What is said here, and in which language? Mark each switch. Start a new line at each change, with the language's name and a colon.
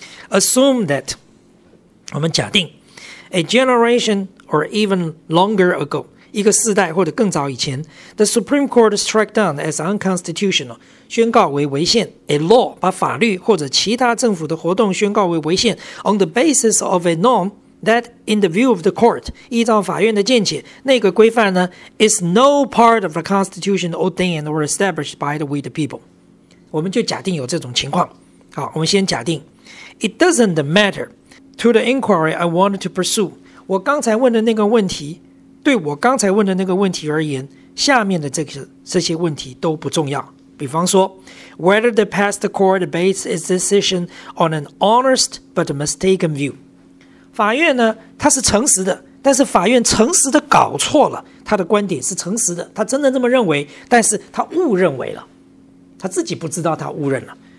English: Assume that，
Chinese: 我们假定
English: A generation or even longer ago，
Chinese: 一个世代或者更早以前，
English: The Supreme Court struck down as unconstitutional，
Chinese: 宣告为违宪。
English: A law，
Chinese: 把法律或者其他政府的活动宣告为违宪。
English: On the basis of a norm that in the view of the court，
Chinese: 依照法院的见解，那个规范呢
English: is no part of the constitution ordained or established by the we the people。
Chinese: 我们就假定有这种情况。好，我们先假定
English: It doesn't matter to the inquiry I wanted to pursue，
Chinese: 我刚才问的那个问题，对我刚才问的那个问题而言，下面的这些问题都不重要。比方说
English: Whether the past court based its decision on an honest but mistaken view，
Chinese: 法院呢他是诚实的，但是法院诚实的搞错了，他的观点是诚实的，他真的这么认为，但是他误认为了，他自己不知道他误认了。